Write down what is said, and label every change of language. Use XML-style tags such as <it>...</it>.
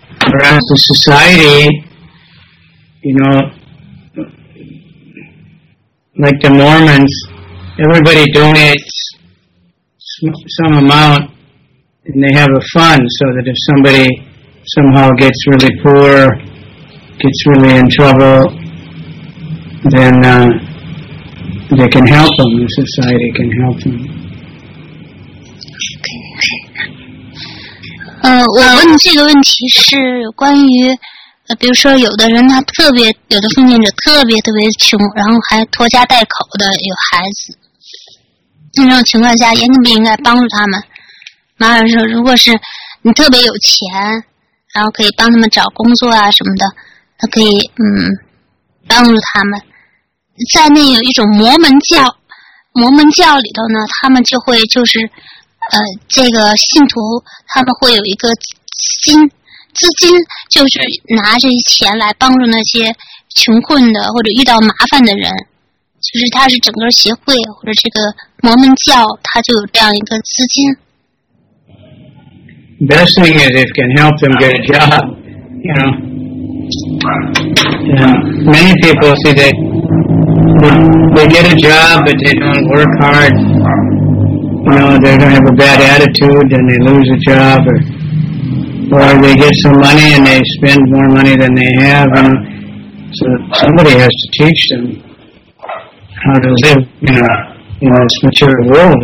<en>Whereas the society, you know, like the Mormons, everybody donates some amount, and they have a fund so that if somebody somehow gets really poor,gets really in trouble, then they can help them, the society can help them. Okay.</en> <zh>我问这个问题是关于比如说有的人他特别，有的奉献者特别特别穷，然后还拖家带口的，有孩子，那种情况下应不应该帮助他们？马尔说，如果是你特别有钱，然后可以帮他们找工作啊什么的，他可以帮助他们。在那有一种摩门教里头呢，他们就会就是这个信徒他们会有一个资金，就是拿这些钱来帮助那些穷困的或者遇到麻烦的人，就是他是整个协会或者这个摩门教他就有这样一个资金。</zh> <en>best thing is if it can help them get a job, you know. And many people see they get a job but they don't work hard. You know, they don't have a bad attitude and they lose a job, or they get some money and they spend more money than they have, and so somebody has to teach them how to live in this material world.</en>